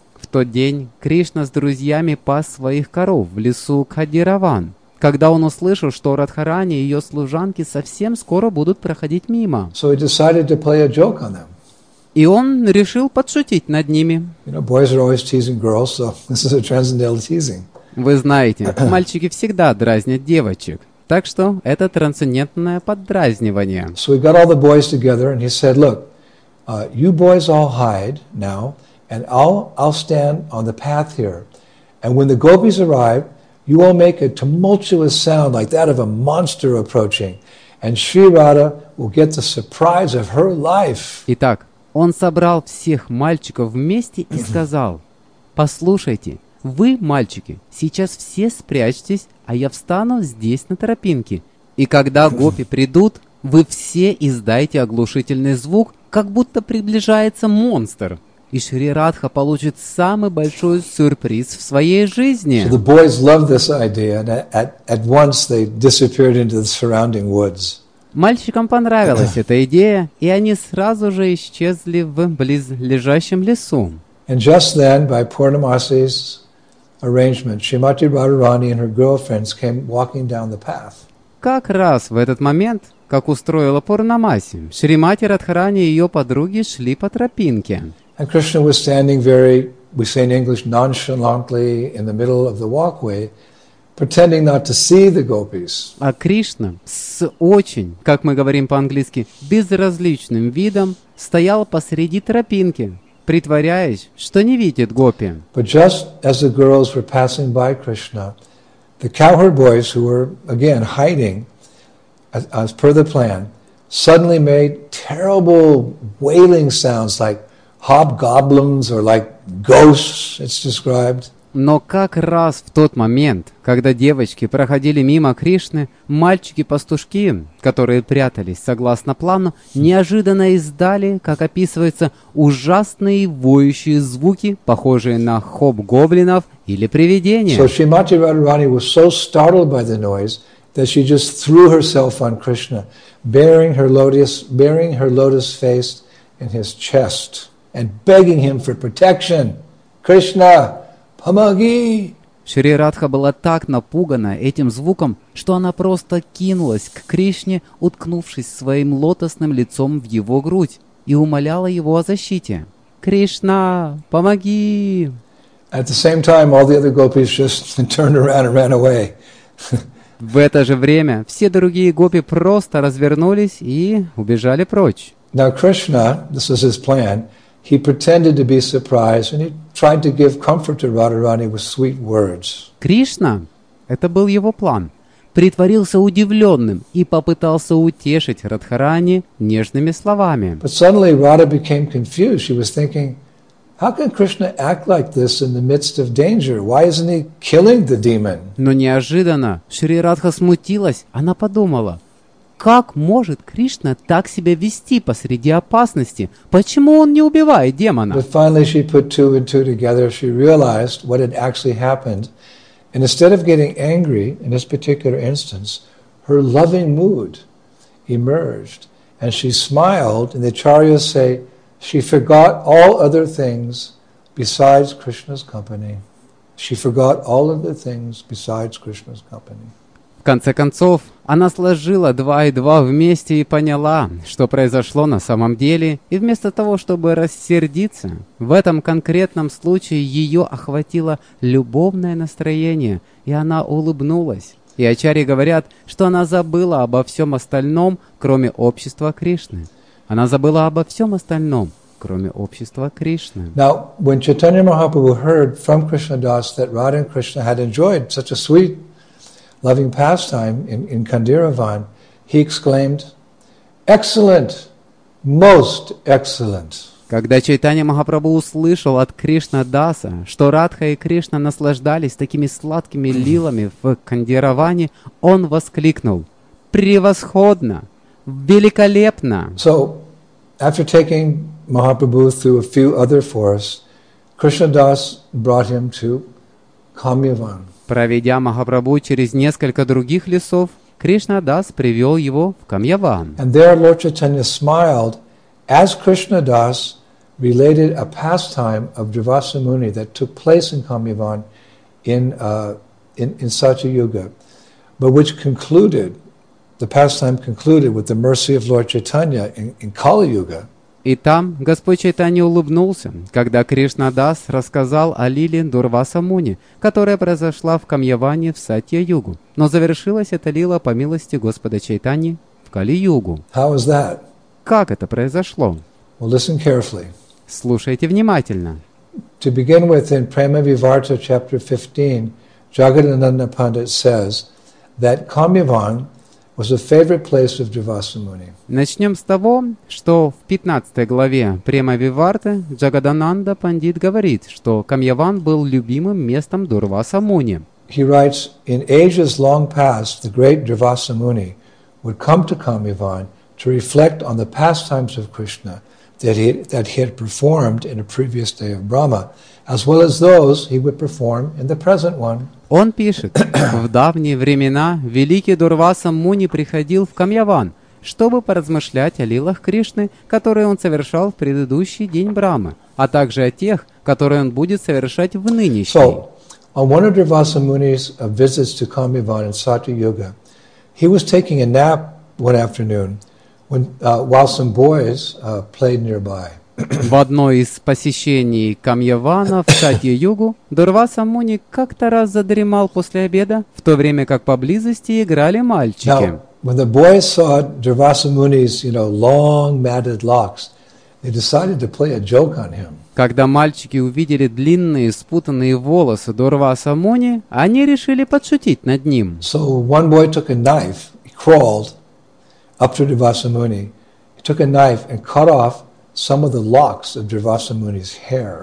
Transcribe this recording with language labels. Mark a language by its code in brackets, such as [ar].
[ru] В тот день Кришна с друзьями пас своих коров в лесу Кадираван, когда он услышал, что Радхарани и ее служанки совсем скоро будут проходить мимо. [en] So he decided to play a joke on them. [ru] И он решил подшутить над ними. [en] You know, boys are always teasing girls, so this is a transcendental teasing. [ru] Вы знаете, мальчики всегда дразнят девочек, так что это трансцендентное поддразнивание. [en] So he got all the boys together and he said, look, you boys all hide now and I'll stand on the path here. And when the gopis arrive, you will make a tumultuous sound like that of a monster approaching, and Sri Radha will get the surprise of her life. [ru] Итак, он собрал всех мальчиков вместе и сказал: «Послушайте, вы, мальчики, сейчас все спрячьтесь, а я встану здесь на тропинке. И когда гопи придут, вы все издайте оглушительный звук, как будто приближается монстр». И Шри Радха получит самый большой сюрприз в своей жизни. [en] So the boys loved this idea, and at once they disappeared into the surrounding woods. [ru] Мальчикам понравилась эта идея, и они сразу же исчезли в близлежащем лесу. [en] And just then, by Purnamasi's arrangement, Srimati Radharani and her girlfriends came walking down the path. [ru] Как раз в этот момент, как устроила Пурнамаси, Шримати Радхарани и ее подруги шли по тропинке. [en] And Krishna was standing very, we say in English, nonchalantly in the middle of the walkway, pretending not to see the gopis. [ru] А Кришна с очень, как мы говорим по-английски, безразличным видом стоял посреди тропинки, притворяясь, что не видит гопи. [en] But just as the girls were passing by Krishna, the cowherd boys, who were, again, hiding, as per the plan, suddenly made terrible wailing sounds like hobgoblins or like ghosts, it's described. [ru] Но как раз в тот момент, когда девочки проходили мимо Кришны, мальчики-пастушки, которые прятались согласно плану, неожиданно издали, как описывается, ужасные воющие звуки, похожие на хоп гоблинов или привидения. [en] So Srimati Radharani was so startled by the noise that she just threw herself on Krishna, burying her lotus face in his chest and begging him for protection. [ru] Krishna! Помоги! Шри Радха была так напугана этим звуком, что она просто кинулась к Кришне, уткнувшись своим лотосным лицом в его грудь, и умоляла его о защите. Кришна, помоги! [en] At the same time, all the other gopis just turned around and ran away. [ru] В это же время все другие гопи просто развернулись и убежали прочь. [en] Now Krishna, this was his plan. He pretended to be surprised and he tried to give comfort to Radharani with sweet words. [ru] Кришна, это был его план, притворился удивленным и попытался утешить Радхарани нежными словами. [en] But suddenly Radha became confused. She was thinking, how can Krishna act like this in the midst of danger? Why isn't he killing the demon? [ru] Но неожиданно Шри Радха смутилась. Она подумала, как может Кришна так себя вести посреди опасности? Почему он не убивает демона? [en] But finally she put two and two together. She realized what had actually happened. And instead of getting angry in this particular instance, her loving mood emerged. And she smiled, and the acharyas say, she forgot all other things besides Krishna's company. She forgot all other things besides Krishna's company. [ru] В конце концов, она сложила два и два вместе и поняла, что произошло на самом деле, и вместо того, чтобы рассердиться, в этом конкретном случае ее охватило любовное настроение, и она улыбнулась. И ачарьи говорят, что она забыла обо всем остальном, кроме общества Кришны. Она забыла обо всем остальном, кроме общества Кришны. [en] Now, when Chaitanya Mahaprabhu heard from Krishna Das that Radha and Krishna had enjoyed such a sweet loving pastime in Kandiravan, he exclaimed, excellent, most excellent. [ru] Когда Чайтанья Махапрабху услышал от Кришна Даса, что Радха и Кришна наслаждались такими сладкими лилами в Кандиравани, он воскликнул, превосходно, великолепно. [en] So, after taking Mahaprabhu through a few other forests, Krishna Das brought him to Kamyavan. [ru] Проведя Махапрабху через несколько других лесов, Кришна Дас привел его в Камьяван. [en] And there Lord Chaitanya smiled as Krishna Das related a pastime of Dravasa Muni that took place in Kamyavan in Satya Yuga, but which concluded, the pastime concluded with the mercy of Lord Chaitanya in Kali Yuga. [ru] И там Господь Чайтанья улыбнулся, когда Кришна Дас рассказал о лиле Дурваса Муни, которая произошла в Камьяване в Сатья-югу. Но завершилась эта лила по милости Господа Чайтаньи в Кали-югу. [en] How is that? [ru] Как это произошло? [en] Well, listen carefully. [ru] Слушайте внимательно. [en] To begin with, in Prema Vivarta, chapter 15, Jagadananda Pandit says that Kamyavan was a favorite place of Dravasa Muni. [ru] Начнем с того, что в 15 главе Према Виварты Джагадананда Пандит говорит, что Камьяван был любимым местом Дурваса Муни. [en] He writes, in ages long past, the great Dravasa Muni would come to Kamyavan to reflect on the pastimes of Krishna that he had performed in a previous day of Brahma, as well as those he would perform in the present one. [ru] Он пишет, в давние времена великий Дурваса Муни приходил в Камьяван, чтобы поразмышлять о лилах Кришны, которые он совершал в предыдущий день Брамы, а также о тех, которые он будет совершать в нынешний. [en] So, on one of Dravasa Muni's visits to Kamyavan in Satya Yuga, he was taking a nap one afternoon while some boys played nearby. [ru] В одной из посещений Камьявана в Сатья-югу Дурваса Муни как-то раз задремал после обеда, в то время как поблизости играли мальчики. [en] Now, when the boys saw Dravasa Muni's, you know, long matted locks, they decided to play a joke on him. [ru] Когда мальчики увидели длинные спутанные волосы Дурваса Муни, они решили подшутить над ним. [en] So one boy took a knife, he crawled up to Dravasa Muni, he took a knife and cut off some of the locks of Dravasa Muni's hair.